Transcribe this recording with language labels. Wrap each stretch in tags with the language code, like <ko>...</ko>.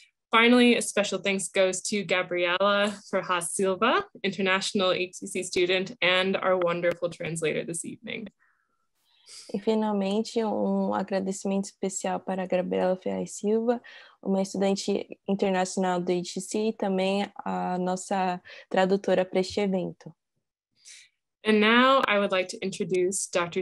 <en>Finally, a special thanks goes to Gabriela Ferraz Silva, international HCC student, and our wonderful translator this evening.</en> <pt>E finalmente, um agradecimento especial para a Gabriela Ferraz Silva, uma estudante internacional do HCC e também a nossa tradutora para este evento.</pt> <en>And now I would like to introduce Dr.</en>